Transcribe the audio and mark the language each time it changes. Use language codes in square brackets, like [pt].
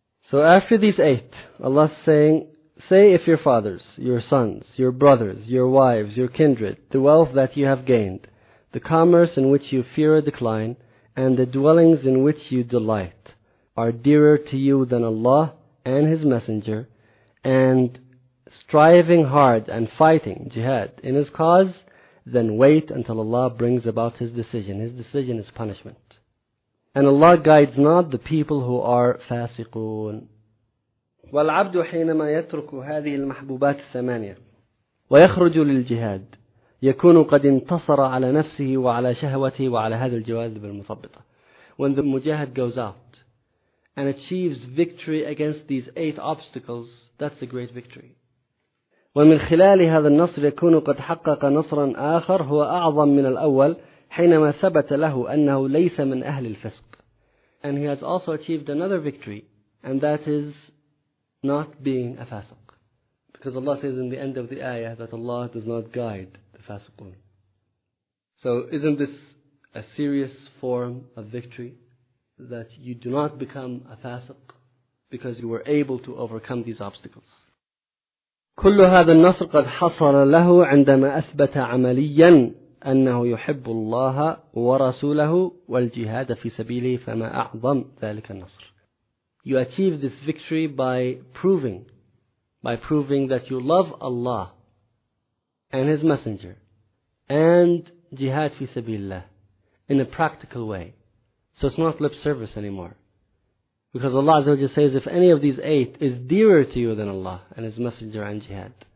[en] So after these eight, Allah's saying, say if your fathers, your sons, your brothers, your wives, your kindred, the wealth that you have gained, the commerce in which you fear a decline, and the dwellings in which you delight, are dearer to you than Allah and His Messenger, and striving hard and fighting jihad in His cause, then wait until Allah brings about His decision. His decision is punishment. And Allah guides not the people who are fasiqoon. [ar] والعبد حينما يترك هذه المحبوبات الثمانية ويخرج للجهاد يكون قد انتصر على نفسه وعلى شهوته وعلى هذا الجواذب المثبطة. [en] When the mujahid goes out and achieves victory against these eight obstacles, that's a great victory. [ar] ومن خلال هذا النصر يكون قد حقق نصرا آخر هو أعظم من الأول حينما ثبت له أنه ليس من أهل الفسق. [en] And he has also achieved another victory, and that is not being a fasiq. Because Allah says in the end of the ayah that Allah does not guide the fasiqun. So isn't this a serious form of victory? That you do not become a fasiq because you were able to overcome these obstacles. [ar] كل هذا النصر قد حصل له عندما أثبت عمليا أنه يحب الله ورسوله والجهاد في سبيله فما أعظم ذلك النصر. [en] You achieve this victory by proving that you love Allah and His Messenger and jihad [ar] في سبيل الله [en] in a practical way. So it's not lip service anymore. Because Allah Azza wa Jalla says, if any of these eight is dearer to you than Allah and His Messenger and jihad.